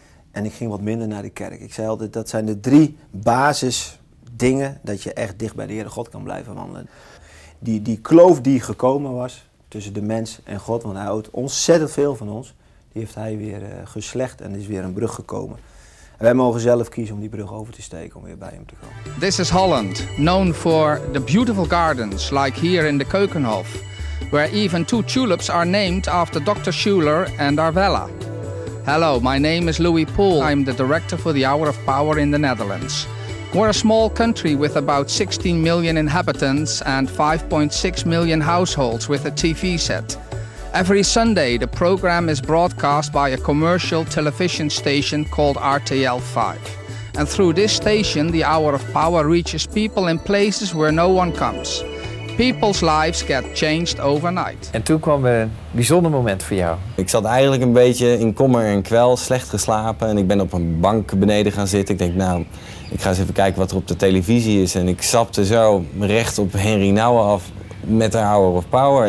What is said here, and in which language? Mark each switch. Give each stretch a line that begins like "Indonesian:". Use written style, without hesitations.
Dutch: En ik ging wat minder naar de kerk. Ik zei altijd, dat zijn de drie basisdingen dat je echt dicht bij de Heere God kan blijven wandelen. Die kloof die gekomen was tussen de mens en God, want hij houdt ontzettend veel van ons, die heeft hij weer geslecht en is weer een brug gekomen. En wij mogen zelf kiezen om die brug over te steken, om weer bij hem te komen.
English: This is Holland, known for the beautiful gardens, like here in the Keukenhof. where even two tulips are named after Dr. Schuller and Arvella. Hello, my name is Louis Poole. I'm the director for the Hour of Power in the Netherlands. We're a small country with about 16 million inhabitants and 5.6 million households with a TV set. Every Sunday, the program is broadcast by a commercial television station called RTL5. And through this station, the Hour of Power reaches people in places where no one comes. People's lives get changed overnight.
Dutch: En toen kwam er een bijzonder moment voor jou. Ik zat eigenlijk een beetje in kommer en kwel, slecht geslapen. En ik ben op een bank beneden gaan zitten. Ik denk, nou, ik ga eens even kijken wat er op de televisie is. En ik zapte zo recht op Henry Nouwen af met de Hour of Power.